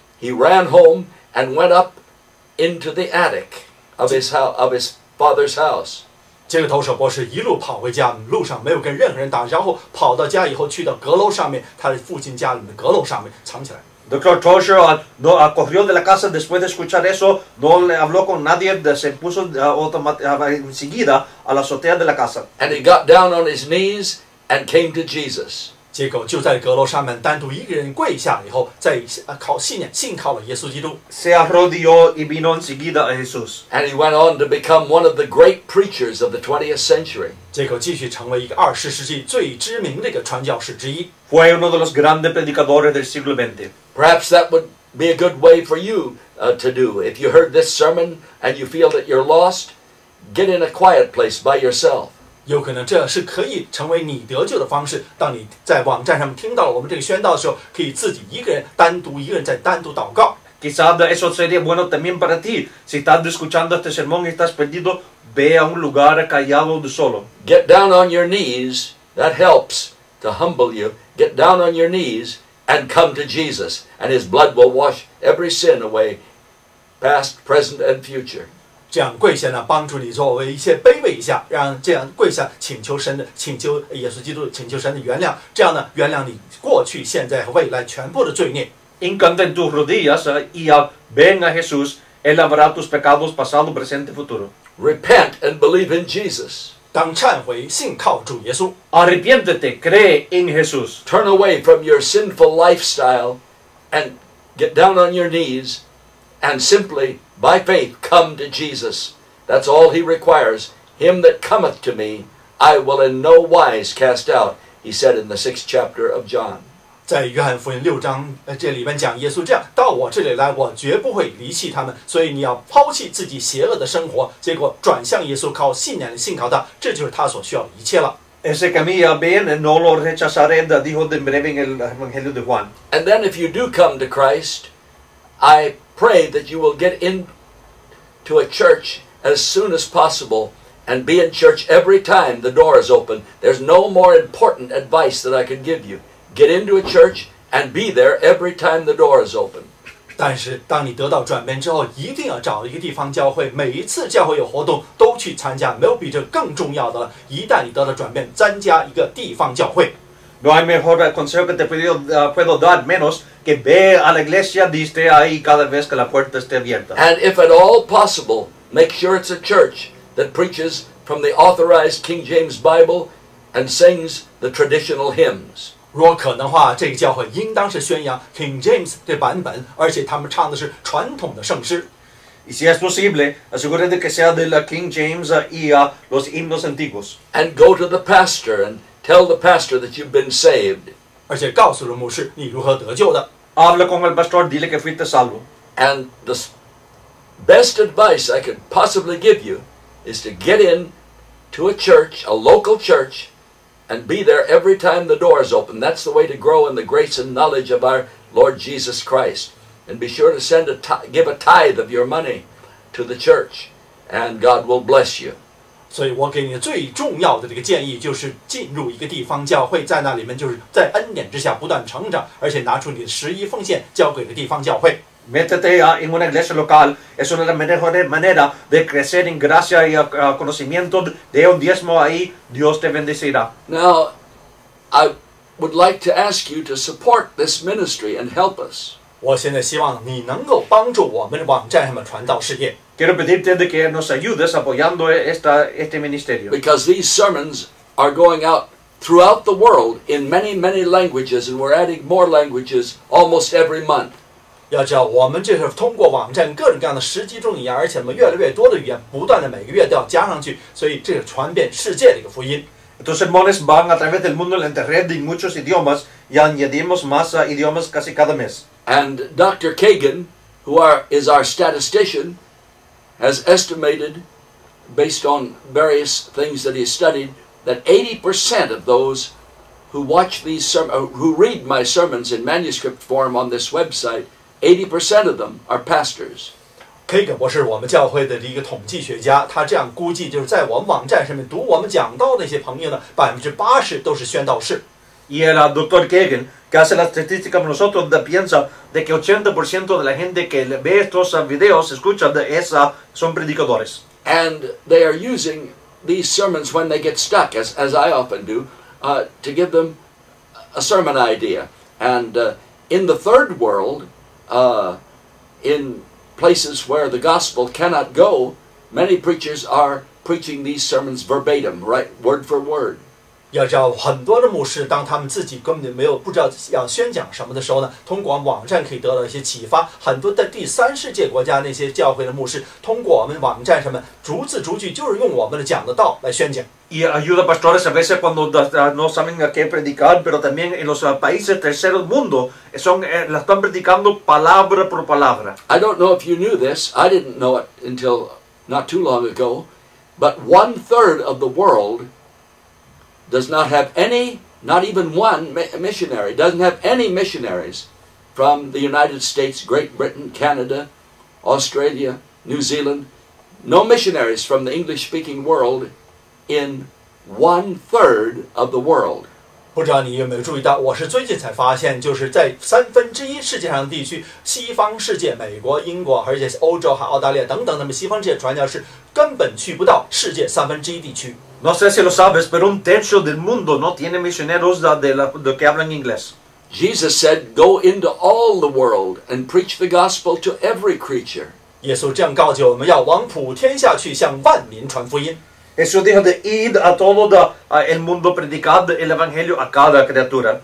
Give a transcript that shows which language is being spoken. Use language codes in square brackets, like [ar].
[en] He ran home and went up into the attic of his father's house. [zh] 这个投手博士一路跑回家，路上没有跟任何人打，然后跑到家以后去到阁楼上面，他的父亲家里的阁楼上面藏起来。 [en] Dr. [es] Tozer no acogió de la casa después de escuchar eso, no le habló con nadie, se puso enseguida a la azotea de la casa. [en] And he got down on his knees and came to Jesus. [zh] 结果就在阁楼上面单独一个人跪下以后，再靠信靠了耶稣基督。 [es] Se arrodilló y vino enseguida a Jesús. [en] And he went on to become one of the great preachers of the 20th century. [zh] 结果继续成为一个二十世纪最知名的一个传教士之一。 [es] Fue uno de los grandes predicadores del siglo XX. [en] Perhaps that would be a good way for you to do. If you heard this sermon and you feel that you're lost, get in a quiet place by yourself. [zh] 有可能这是可以成为你得救的方式。当你在网站上听到了我们这个宣道的时候，可以自己一个人单独一个人在单独祷告。 [es] Quizás eso sería bueno también para ti. Si estás escuchando este sermón y estás perdido, ve a un lugar callado de solo. [en] Get down on your knees. That helps to humble you. Get down on your knees and come to Jesus, and His blood will wash every sin away, past, present, and future. [zh] 这样跪下呢，帮助你作为一些卑微一下，让这样跪下请求神的，请求耶稣基督，请求神的原谅。这样呢，原谅你过去、现在和未来全部的罪孽。 [es] Inclina tus rodillas y ven a Jesús. Él lavará tus pecados, pasado, presente, futuro. [en] Repent and believe in Jesus. [zh] 当忏悔，信靠主耶稣。 [es] Arrepiéntete, cree en Jesús. [en] Turn away from your sinful lifestyle and get down on your knees and simply, by faith, come to Jesus. That's all He requires. Him that cometh to me, I will in no wise cast out, He said in the 6th chapter of John. [zh] 在约翰福音六章这里面讲耶稣这样到我这里来我绝不会离弃他们所以你要抛弃自己邪恶的生活结果转向耶稣靠信念信靠他这就是他所需要的一切了 [es] Ese camino bien no lo rechazaré dijo de breve en el evangelio de Juan [en] And then if you do come to Christ I pray that you will get into a church as soon as possible and be in church every time the door is open There's no more important advice that I can give you Get into a church and be there every time the door is open. [zh] 但是当你得到转变之后，一定要找一个地方教会，每一次教会有活动都去参加，没有比这更重要的了。一旦你得到转变，参加一个地方教会。 [es] No hay mejor consejo que te puedo dar, menos que ve a la iglesia y esté ahí cada vez que la puerta esté abierta. [en] And if at all possible, make sure it's a church that preaches from the authorized King James Bible and sings the traditional hymns. [zh] 若可能的话，这个教会应当是宣扬 King James 的版本，而且他们唱的是传统的圣诗。 [es] Y si es posible, asegúrate que sea de la King James y los himnos antiguos. [en] And go to the pastor and tell the pastor that you've been saved. [zh] 而且告诉了牧师你如何得救的。 [es] Habla con el pastor, dile que fuiste salvo. [en] And the best advice I could possibly give you is to get in to a church, a local church, and be there every time the door is open. That's the way to grow in the grace and knowledge of our Lord Jesus Christ. And be sure to send a give a tithe of your money to the church, and God will bless you. [zh] 所以我给你最重要的这个建议就是进入一个地方教会，在那里面就是在恩典之下不断成长，而且拿出你的十一奉献交给了地方教会。 [es] Métete en una iglesia local. Es una mejor manera de crecer en gracia y conocimiento. De un diezmo ahí, Dios te bendecirá. [en] Now, I would like to ask you to support this ministry and help us. [zh] 我现在希望你能够帮助我们网站上的传道事业。 [es] Quiero pedirte de que nos ayudes apoyando este ministerio. [en] Because these sermons are going out throughout the world in many, many languages, and we're adding more languages almost every month. [zh] 要知道我们这是通过网站各种各样的十几种语言，而且越来越多的语言不断的每个月都要加上去，所以这是传遍世界的一个福音。 [es] Estos sermones van a través del mundo en internet en muchos idiomas y añadimos más idiomas casi cada mes. [en] And Dr. Kagan, who is our statistician, has estimated, based on various things that he studied, that 80% of those who watch these who read my sermons in manuscript form on this website. 80% of them are pastors. [zh] Kagan 博士，我们教会的一个统计学家，他这样估计，就是在我们网站上面读我们讲道的一些朋友呢，80%都是宣道士。 [es] Y el doctor Kagan, que hace la estadística con nosotros, piensa de que 80% de la gente que ve estos videos, escucha de esa, son predicadores. [en] And they are using these sermons when they get stuck, as I often do, to give them a sermon idea. And in the third world. In places where the gospel cannot go, many preachers are preaching these sermons verbatim, right, word for word. [zh] 要知道，很多的牧师当他们自己根本就没有不知道要宣讲什么的时候呢，通过网站可以得到一些启发。很多的第三世界国家那些教会的牧师，通过我们网站上面逐字逐句，就是用我们的讲的道来宣讲。 [es] Y ayuda pastores a veces cuando no saben a qué predicar, pero también en los países tercer mundo la están predicando palabra por palabra. [en] I don't know if you knew this. I didn't know it until not too long ago. But 1/3 of the world does not have any, not even one missionary, doesn't have any missionaries from the United States, Great Britain, Canada, Australia, New Zealand. No missionaries from the English-speaking world. In 1/3 of the world, [zh] 不知道你有没有注意到，我是最近才发现，就是在三分之一世界上的地区，西方世界，美国、英国，而且欧洲和澳大利亚等等，那么西方这些传教士根本去不到世界三分之一地区。 [es] No sé si lo sabes, pero un tercio del mundo no tiene misioneros de que hablan inglés. [en] Jesus said, "Go into all the world and preach the gospel to every creature." [zh] 耶稣这样告诫我们要往普天下去，向万民传福音。 [es] Jesús dijo de ir a todo el mundo predicando el evangelio a cada criatura.